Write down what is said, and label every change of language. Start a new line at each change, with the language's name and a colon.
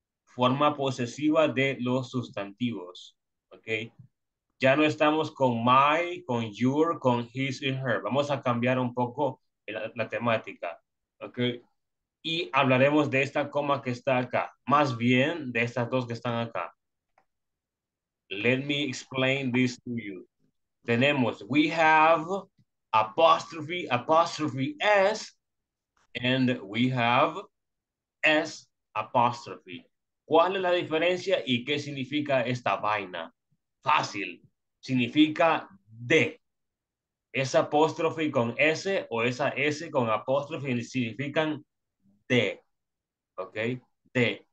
Spanish: Forma posesiva de los sustantivos. Okay. Ya no estamos con my, con your, con his y her. Vamos a cambiar un poco la temática. Okay. Y hablaremos de esta coma que está acá. Más bien, de estas dos que están acá.
English: Let me explain this to you. Tenemos, we have apostrophe S, and we have S, apostrophe.
Spanish: ¿Cuál es la diferencia y qué significa esta vaina? Fácil. Significa de. Es apóstrofe con S o esa S con apóstrofe significan de. ¿Ok? De.